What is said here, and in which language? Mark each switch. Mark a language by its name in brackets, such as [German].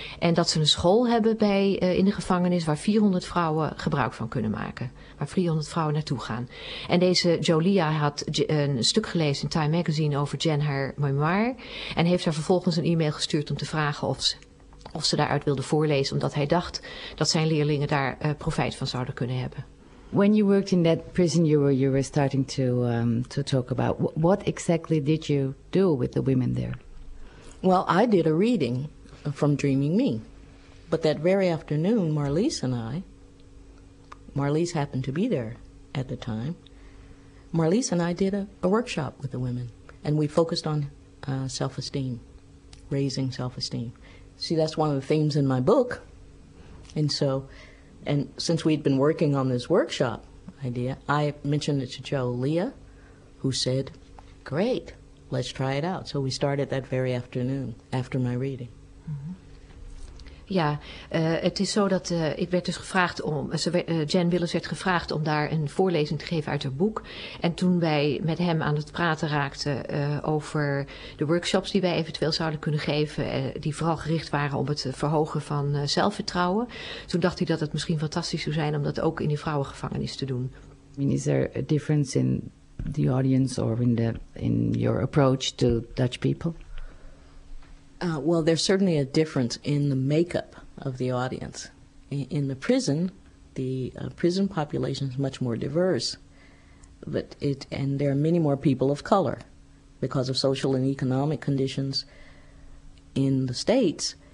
[Dutch] En dat ze een school hebben in de gevangenis waar 400 vrouwen gebruik van kunnen maken. Waar 400 vrouwen naartoe gaan. En deze Jolia had een stuk gelezen in Time magazine over Jen haar memoir. En heeft haar vervolgens een e-mail gestuurd om te vragen of ze daaruit wilde voorlezen, omdat hij dacht dat zijn leerlingen daar profijt van zouden kunnen hebben. [English] When you worked in that prison, you were starting to talk about what exactly did you do with the women there? Well, I did a reading from Dreaming Me, but that very afternoon, Marlies happened to be there at the time. Marlies and I did a workshop with the women, and we focused on self-esteem, raising self-esteem. See, that's one of the themes in my book. And since we'd been working on this workshop idea, I mentioned it to Jo Leah, who said, great, let's try it out. So we started that very afternoon, after my reading. Mm-hmm. [Dutch] Ja, het is zo dat ik werd dus gevraagd om, Jen Willis werd gevraagd om daar een voorlezing te geven uit haar boek. En toen wij met hem aan het praten raakten over de workshops die wij eventueel zouden kunnen geven, die vooral gericht waren op het verhogen van zelfvertrouwen, toen dacht hij dat het misschien fantastisch zou zijn om dat ook in die vrouwengevangenis te doen. [English] I mean, is there a difference in the audience or in your approach to Dutch people? Well, there's certainly a difference in the makeup of the audience. In the prison, prison population is much more diverse, and there are many more people of color because of social and economic conditions. In the States,